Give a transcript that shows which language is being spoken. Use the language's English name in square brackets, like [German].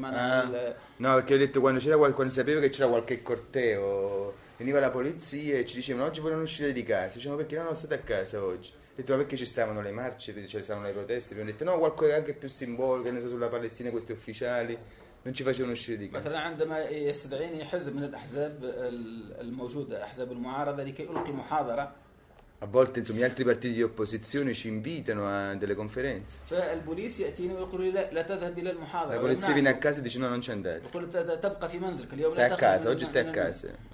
[Arabic] منها آه. [Italian] No, perché ho detto quando c'era quando sapevo che c'era qualche corteo veniva la polizia e ci dicevano oggi vogliono uscire di casa dicevano perché non ho stato a casa oggi ho detto ma perché ci stavano le marce perché ci stavano le proteste abbiamo detto no qualcosa anche più simbolico che ne so sulla Palestina questi ufficiali non ci facevano uscire di casa. [Arabic] مثلا عندما يستدعيني حزب من الأحزاب الموجودة أحزاب المعارضة لكي ألقي محاضرة [Italian] a volte insomma gli altri partiti di opposizione ci invitano a delle conferenze. La polizia viene a casa e dice no, non c'è andato. Stai a casa, oggi stai a casa.